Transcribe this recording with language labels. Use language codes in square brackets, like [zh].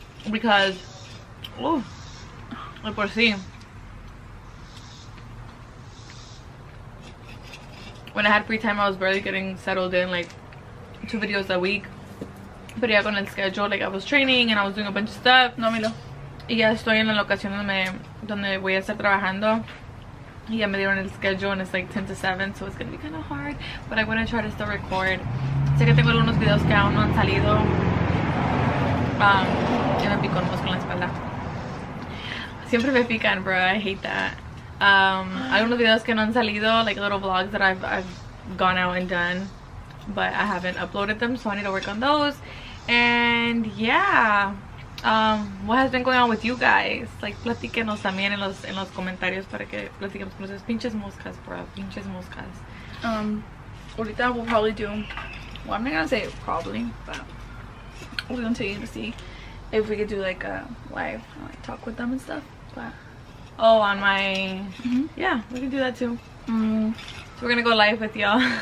[en] because oh, [es] por si. [en] When I had free time, I was barely getting settled in, like, 2 videos a week. But yeah, [es] con el [en] schedule, like, I was training and I was doing a bunch of stuff. No, Milo. [es] Y ya estoy en la locación donde voy a estar trabajando. Y ya me dieron el schedule [en] and it's, like, 10 to 7, so it's gonna be kind of hard. But I'm gonna try to still record. [es] Sé que tengo algunos videos que aún no han salido. Ya me pico más con la espalda. Siempre me pican, bro. [en] I hate that. [es] Algunos videos que no han salido, [en] like little vlogs that I've gone out and done, but I haven't uploaded them, so I need to work on those. And yeah, what has been going on with you guys? [es] Like, platíquenos también en los comentarios para que platiquemos con esas pinches moscas, bro. Pinches moscas. [en] Ahorita we'll probably do, well, I'm not gonna say probably, but we're gonna take you to see if we could do like a live, like talk with them and stuff. But oh, on my, mm-hmm. Yeah, we can do that too. Mm. So we're gonna go live with y'all.